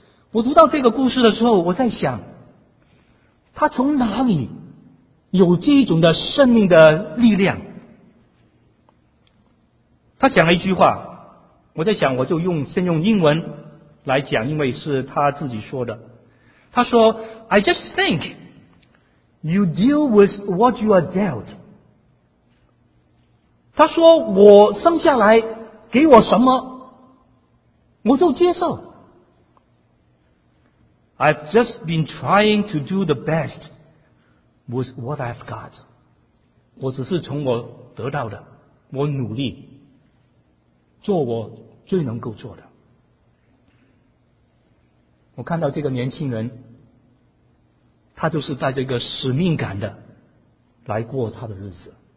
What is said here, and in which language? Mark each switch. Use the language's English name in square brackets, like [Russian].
[Chinese] 我读到这个故事的时候，我在想，他从哪里有这种的生命的力量？他讲了一句话，我在想，我就用先用英文来讲，因为是他自己说的。他说 [English] ：“I just think you deal with what you are dealt。” [Chinese] 他说：“我生下来给我什么，我就接受。 [English] I've just been trying to do the best with what I've got。” [Chinese] 我只是从我得到的，我努力做我最能够做的。我看到这个年轻人，他就是带着一个使命感的来过他的日子。